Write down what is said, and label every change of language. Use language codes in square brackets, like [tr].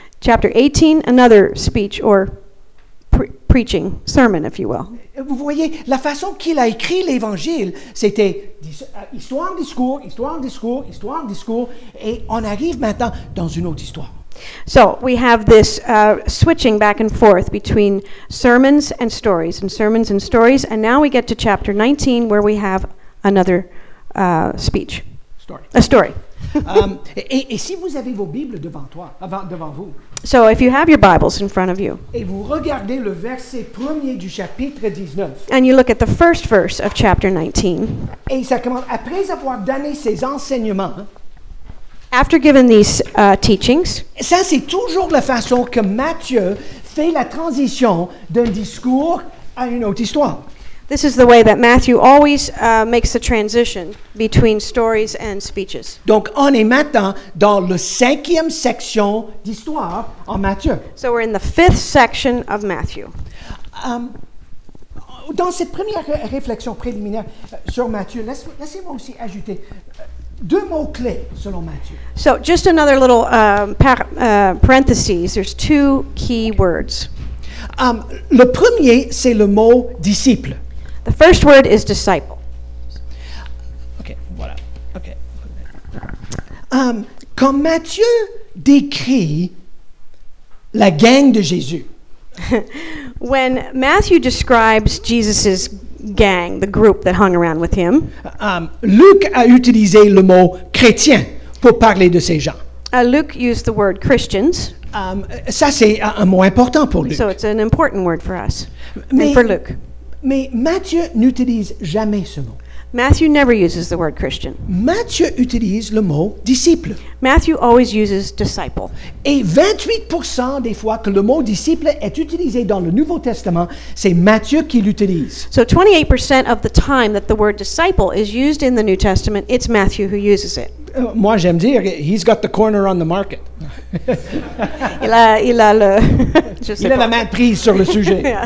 [en] Chapter 18, another speech or preaching, sermon, if you will. [fr] Vous voyez, la façon qu'il a écrit l'évangile, c'était histoire, discours, histoire, discours, histoire, discours, et on arrive maintenant dans une autre histoire. [en] So we have this switching back and forth between sermons and stories, and sermons and stories, and now we get to chapter 19 where we have another speech. Story. A story. [fr] et si vous avez vos Bibles devant vous. [en] So if you have your Bibles in front of you. [fr] Et vous regardez le verset premier du chapitre 19. [en] And you look at the first verse of chapter 19. [fr] Et ça commence, après avoir donné ses enseignements. [en] After giving these teachings. [fr] Ça c'est toujours la façon que Matthieu fait la transition d'un discours à une autre histoire. [en] This is the way that Matthew always makes the transition between stories and speeches. [fr] Donc, on est maintenant dans le cinquième section d'histoire en Matthieu. [en] So we're in the fifth section of Matthew. [fr] Dans cette première réflexion préliminaire sur Matthieu, laissez-moi aussi ajouter deux mots clés selon Matthieu. [en] So, just another little parenthesis. There's two key words. [fr] Le premier, c'est le mot disciple. [en] The first word is disciple. Okay, voilà. Okay. [fr] Quand Matthieu décrit la gang de Jésus. [en] When Matthew describes Jesus's gang, the group that hung around with him. [fr] Luc a utilisé le mot chrétien pour parler de ces gens. [en] Luc used the word Christians. [fr] Ça c'est un mot important pour Luc. [en] So it's an important word for us. Mais, and for Luc. [fr] Mais Matthieu n'utilise jamais ce mot. [en] Matthew never uses the word Christian. [fr] Matthieu utilise le mot disciple. [en] Matthew always uses disciple. [fr] Et 28% des fois que le mot disciple est utilisé dans le Nouveau Testament, c'est Matthieu qui l'utilise. [en] So 28% of the time that the word disciple is used in the New Testament, it's Matthew who uses it. [fr] Moi j'aime dire, [en] he's got the corner on the market. [fr] Il a la main de prise sur le sujet.